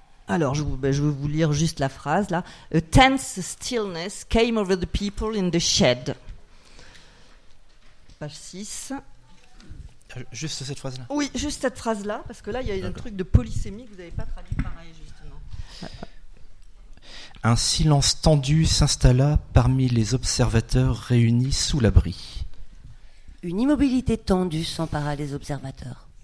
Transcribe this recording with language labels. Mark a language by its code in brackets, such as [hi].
[fr] Alors, je vais vous lire juste la phrase là. [en] A tense stillness came over the people in the shed. Page 6. [fr] Juste cette phrase là. Oui, juste cette phrase là, parce que là il y a un truc de polysémie que vous n'avez pas traduit pareil justement. Un silence tendu s'installa parmi les observateurs réunis sous l'abri. Une immobilité tendue s'empara des observateurs.